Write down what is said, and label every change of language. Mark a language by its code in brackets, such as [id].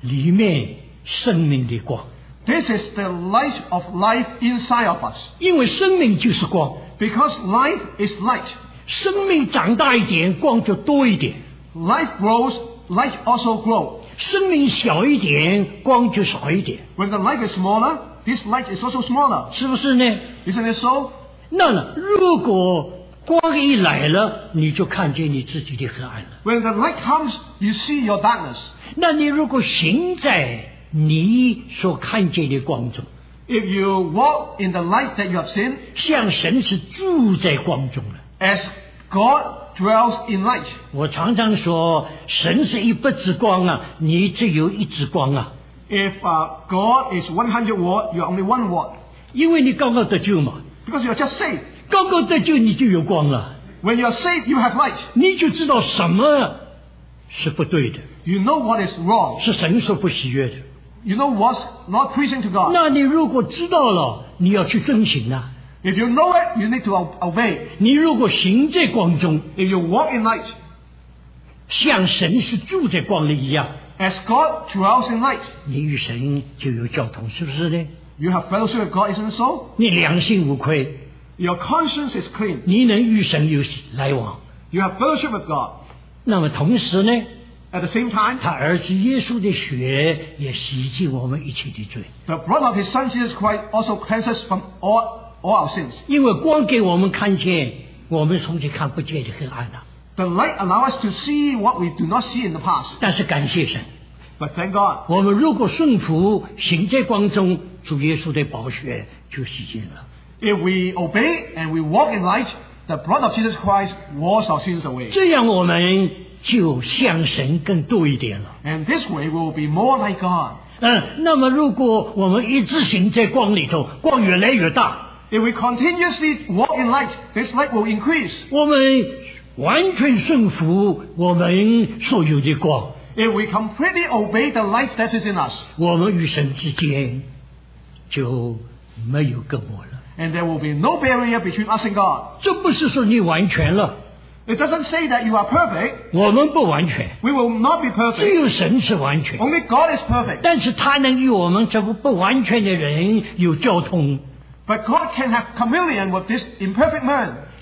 [zh] 这是我们里面生命的光。 [en] This is the light of life inside of us. [zh] 因为生命就是光。 [en] Because life is light. [zh] 生命长大一点, 光就多一点。 [en] Life grows, light also grows. [zh] 生命小一点, 光就少一点。 [en] When the life is smaller, this light is also smaller. [zh] 是不是呢? [en] Isn't it so? [zh] 那如果光一来了, 你就看见你自己的黑暗了。 [en] When the light comes, you see your darkness. [zh] 那你如果行在你所看见的光中, [en] if you walk in the light that you have seen, [zh] 像神是住在光中了, [en] as God dwells in light. [zh] 我常常说, 神是一百之光啊, 你只有一之光啊。 [en] If God is 100 watt, you are only 1 watt. [zh] 因为你刚刚得救嘛, [en] because you are just saved. [zh] 刚刚得救, 你就有光了。 [en] When you are saved, you have light. [zh] 你就知道什么是不对的。 [en] You know what is wrong. [zh] 是神所不喜悦的。 [en] You know what's not pleasing to God? [zh] 那你如果知道了, 你要去遵循啊。 [en] If you know it, you need to obey. [zh] 你如果行在光中, [en] if you walk in light, [zh] 像神是住在光里一样, [en] as God dwells in light, [zh] 你与神就有交通, 是不是呢? [en] You have fellowship with God, isn't it so? [zh] 你良心无愧, [en] your conscience is clean. [zh] 你能与神有来往, [en] you have fellowship with God. [zh] 那么同时呢? [en] At the same time, [zh] 祂儿子耶稣的血也洗净我们一切的罪。 [en] The blood of His Son Jesus Christ also cleanses from all our sins. [zh] 因为光给我们看见, 我们从前看不见的黑暗啊。 [en] The light allows us to see what we do not see in the past. [zh] 但是感谢神, [en] but thank God, [zh] 我们如果顺服行在光中, 主耶稣的宝血就洗净了。 [en] If we obey and we walk in light, The blood of Jesus Christ washes our sins away. [zh] 这样我们就像神更多一点了。 [en] And this way we will be more like God. [zh] 那么如果我们一直行在光里头，光越来越大。 [en] If we continuously walk in light, this light will increase. [zh] 我们完全顺服我们所有的光。 [en] If we completely obey the light that is in us, [zh] 我们与神之间就没有隔膜了。 [en] And there will be no barrier between us and God. [zh] 这不是说你完全了。 [en] It doesn't say that you are perfect. [zh] 我们不完全。 [en] We will not be perfect. [zh] 只有神是完全。 [en] Only God is perfect. [zh] 但是他能与我们这不完全的人有交通。 [en] But God can have communion with this imperfect man.